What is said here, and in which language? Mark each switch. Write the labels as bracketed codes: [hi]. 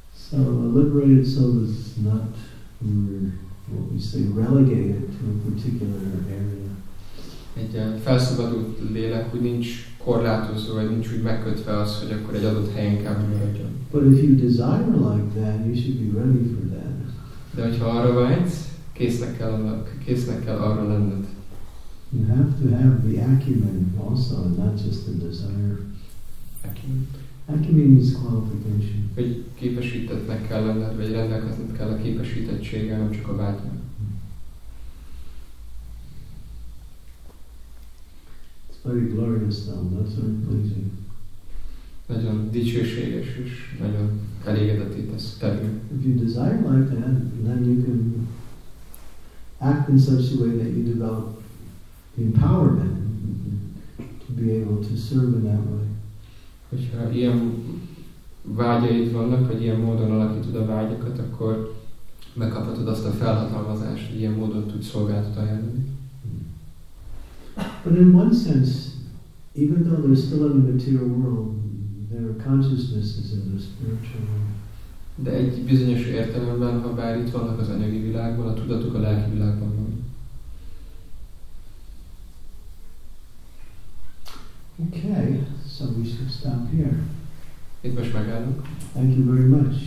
[en] So a liberated soul is not what we say relegated to a particular area. [hu] egy ilyen felszabadult lélek, hogy nincs korlátozó, vagy nincs úgy megkötve az, hogy akkor egy adott helyen kell maradjon. [en] But if you desire like that, you should be ready for that. [hu] De hogyha arra vágysz, késznek kell arra lenned. [en] You have to have the acumen also, not just the desire. Acumen is qualification. [hu] Hogy képesítettnek kell lenned, vagy rendelkezned kell a képesítettséggel, nem csak a vágynak. [en] Very glorious sound, that's very pleasing. [hu] Nagyon dicsőséges és nagyon elégedetét tesz terül. [en] If you desire like that, then you can act in such a way that you develop the empowerment to be able to serve in that way. [hu] Hogyha ilyen vágyaid vannak, vagy ilyen módon alakítod a vágyakat, akkor megkaphatod azt a felhatalmazást, hogy ilyen módon tudsz szolgáltat ajánlani. [en] But in one sense, even though they're still in the material world, their consciousness is in the spiritual world. [hu] De egy bizonyos értelemben, ha bár itt vannak az anyagi világban, a tudatuk a lelki világban van. [en] Okay, so we should stop here. [hu] Itt most megállunk. [en] Thank you very much.